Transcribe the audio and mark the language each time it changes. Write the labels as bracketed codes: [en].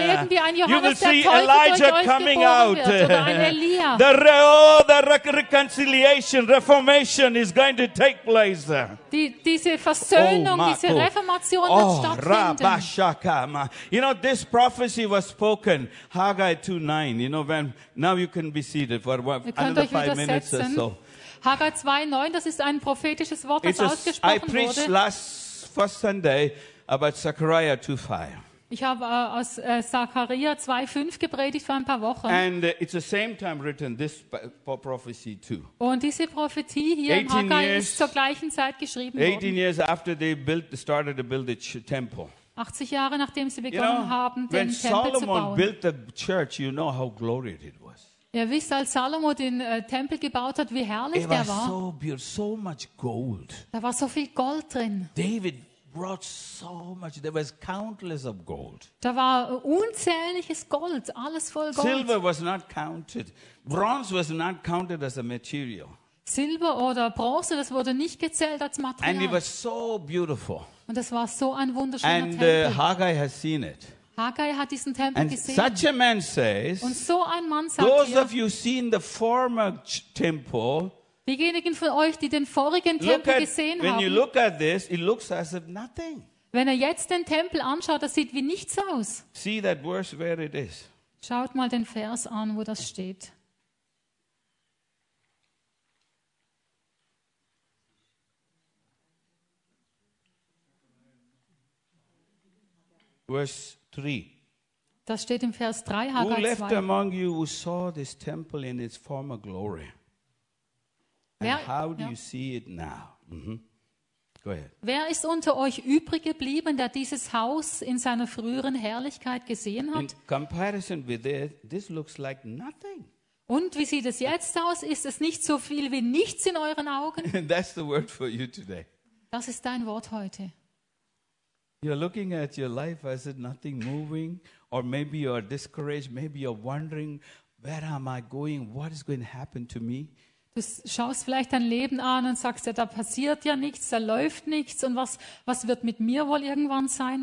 [en] You will see Elijah coming out. The reconciliation, reformation is going to take place. [de] Diese Versöhnung, diese Reformation wird stattfinden. [en] You know, this prophecy was spoken, Haggai 2:9. You know, when now you can be seated for another 5 minutes or so. [de] Haggai 2:9, das ist ein prophetisches Wort, das ausgesprochen wurde. [en] I preached first Sunday about Zechariah 2:5. [de] Ich habe aus Zechariah 2:5 gepredigt vor ein paar Wochen. [en] And it's the same time written this prophecy too. [de] Und diese Prophetie hier im Haggai ist zur gleichen Zeit geschrieben [en] 18 [de] worden. [en] 18 years after they started to build the temple. [de] 80 Jahre nachdem sie begonnen haben, den Tempel [en] Solomon [de] zu bauen. [en] Built the church, you know how glorious it was. [de] Ihr wisst, als Salomo den Tempel gebaut hat, wie herrlich [en] it was [de] der war. [en] So beautiful, so much gold. [de] Da war so viel Gold drin. [en] David brought so much. There was countless of gold. [de] Da war unzähliges Gold, alles voll Gold. [en] Silver was not counted. Bronze was not counted as a material. [de] Silber oder Bronze, das wurde nicht gezählt als Material. [en] And it was so beautiful. [de] Und das war so ein wunderschöner [en] And, [de] Tempel. [en] And Haggai has seen it. [de] Haggai hat diesen Tempel [en] And [de] gesehen. [en] Such a man says, [de] Und so ein Mann sagt [en] Those [de] hier, [en] of you seen the former temple. [de] Diejenigen von euch, die den vorigen Tempel gesehen haben. [en] When you look at this, it looks as if nothing. [de] Wenn er jetzt den Tempel anschaut, das sieht wie nichts aus. [en] See that verse where it is. [de] Schaut mal den Vers an, wo das steht. [en] Verse 3. [de] Das steht im Vers 3, Haggai 2. [en] Who left among you who saw this temple in its former glory? And how do you see it now? Mm-hmm. Go ahead. [de] Wer ist unter euch übrig geblieben, der dieses Haus in seiner früheren Herrlichkeit gesehen hat? [en] In comparison with it, this looks like nothing. [de] Und wie sieht es jetzt aus? Ist es nicht so viel wie nichts in euren Augen? [en] That's the word for you today. [de] Das ist dein Wort heute. [en] You're looking at your life as if nothing moving, or maybe you are discouraged, maybe you're wondering, where am I going? What is going to happen to me? [de] Du schaust vielleicht dein Leben an und sagst, ja, da passiert ja nichts, da läuft nichts und was wird mit mir wohl irgendwann sein?